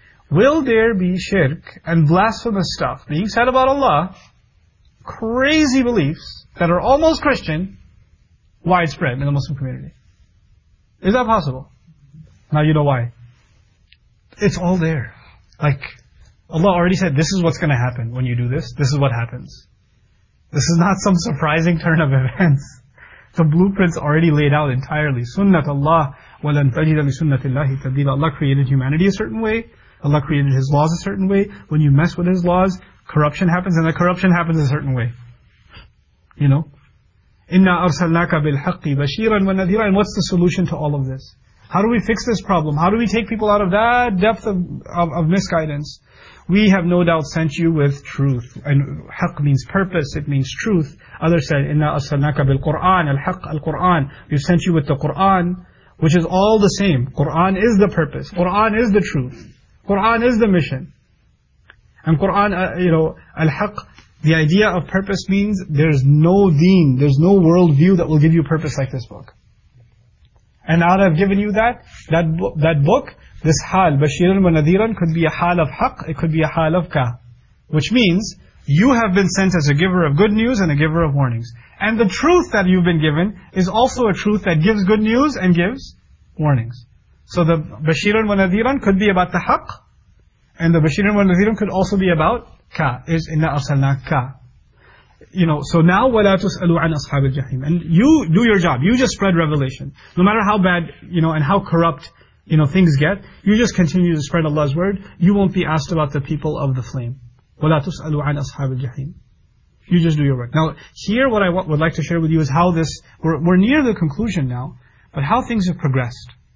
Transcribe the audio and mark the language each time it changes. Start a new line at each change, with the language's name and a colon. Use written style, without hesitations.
English: Will there be shirk and blasphemous stuff being said about Allah, crazy beliefs that are almost Christian, widespread in the Muslim community? Is that possible? Now you know why. It's all there. Like, Allah already said, this is what's going to happen when you do this. This is what happens. This is not some surprising turn of events. The blueprint's already laid out entirely.
Arabic: Sunnat Allah, وَلَنْ تَجِدَ لِسُنَّةِ اللَّهِ تَبْدِيلًا.
English: Allah created humanity a certain way. Allah created His laws a certain way. When you mess with His laws, corruption happens, and the corruption happens a certain way. You know?
Arabic: إِنَّا أَرْسَلْنَاكَ بِالْحَقِّ بَشِيرًا وَنَذِيرًا.
English: And what's the solution to all of this? How do we fix this problem? How do we take people out of that depth of misguidance? We have no doubt sent you with truth. And haqq means purpose, it means truth. Others said,
Arabic: إِنَّا أَرْسَلْنَاكَ بِالْقُرْآنِ الْحَقِّ الْقُرْآنِ.
English: We've sent you with the Qur'an, which is all the same. Qur'an is the purpose. Qur'an is the truth. Qur'an is the mission. And Qur'an, you know, الحق, the idea of purpose means there's no deen, there's no worldview that will give you purpose like this book. And now that I've given you that book, this hal,
Arabic: bashiran wa nadiran,
English: could be a hal of haq, it could be a hal of ka. Which means, you have been sent as a giver of good news and a giver of warnings. And the truth that you've been given is also a truth that gives good news and gives warnings. So the
Arabic: bashiran wa nadiran
English: could be about the haq, and the bashiran wa nadiran could also be about ka, is
Arabic: inna arsalna ka.
English: You know, so now,
Arabic: وَلَا تُسْأَلُوا عَنْ أَصْحَابِ الْجَحِيمِ.
English: And you do your job. You just spread revelation. No matter how bad, you know, and how corrupt, you know, things get, you just continue to spread Allah's word. You won't be asked about the people of the flame.
Arabic: وَلَا تُسْأَلُوا عَنْ أَصْحَابِ الْجَحِيمِ.
English: You just do your work. Now, here what I would like to share with you is how this, we're near the conclusion now, but how things have progressed.